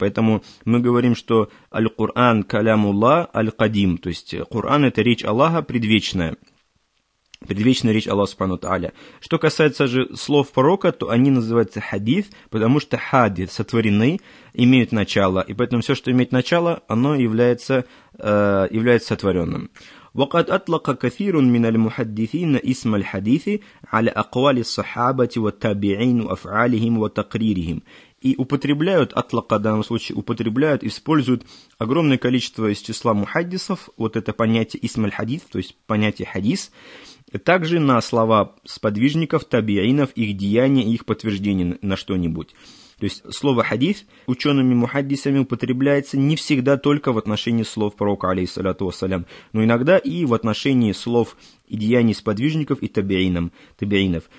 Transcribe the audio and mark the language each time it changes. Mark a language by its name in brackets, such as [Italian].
[Russian] Поэтому мы говорим, что [Arabic] Аль-Кур'ан калямулла аль-кадим, [Russian] то есть Кур'ан — это речь Аллаха предвечная, предвечная речь Аллаха субхану та'аля. Что касается же слов пророка, то они называются хадис, потому что хадис, сотворены, имеют начало, и поэтому все, что имеет начало, оно является, является сотворенным. [Arabic] وقد أطلق كثير من المحدثين اسم الحديث على أقوال الصحابة والتابعين وأفعالهم وتقريرهم. [Russian] И употребляют, атлака, в данном случае употребляют, используют огромное количество из числа мухаддисов, вот это понятие исмаль-хадис, то есть понятие хадис, также на слова сподвижников, табиинов, их деяния и их подтверждение на что-нибудь. То есть слово хадис учеными мухаддисами употребляется не всегда только в отношении слов пророка, алейхиссалату вассалям, но иногда и в отношении слов и деяний сподвижников и табиинов.